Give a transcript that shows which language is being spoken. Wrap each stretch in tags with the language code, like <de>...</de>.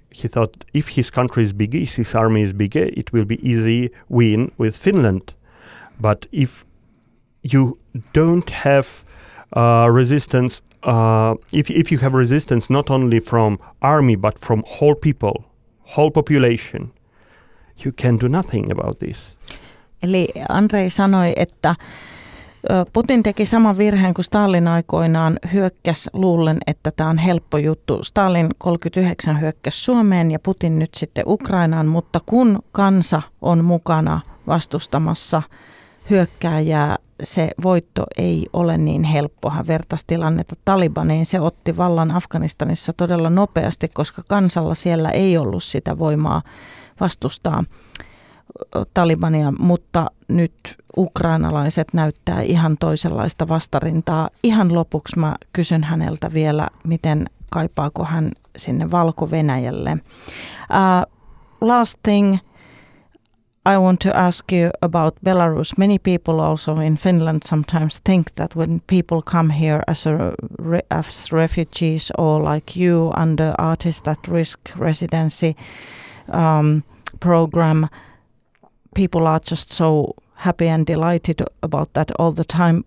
<en>He thought if his country is bigger, if his army is bigger, it will be easy win with Finland. But if you don't have resistance, if you have resistance not only from army but from whole people, whole population, you can do nothing about this.</en> <fi>Eli Andrei sanoi, että Putin teki saman virheen kuin Stalin aikoinaan, hyökkäs luullen, että tämä on helppo juttu. Stalin 39 hyökkäs Suomeen ja Putin nyt sitten Ukrainaan, mutta kun kansa on mukana vastustamassa hyökkääjää, se voitto ei ole niin helppo. Hän vertasi tilannetta Talibaniin. Se otti vallan Afganistanissa todella nopeasti, koska kansalla siellä ei ollut sitä voimaa vastustaa Talibania. Mutta nyt ukrainalaiset näyttää ihan toisenlaista vastarintaa. Ihan lopuksi mä kysyn häneltä vielä, miten kaipaako hän sinne Valko-Venäjälle.</fi> <en>Last thing. I want to ask you about Belarus. Many people also in Finland sometimes think that when people come here as refugees or like you under Artists at Risk residency program, people are just so happy and delighted about that all the time.</en>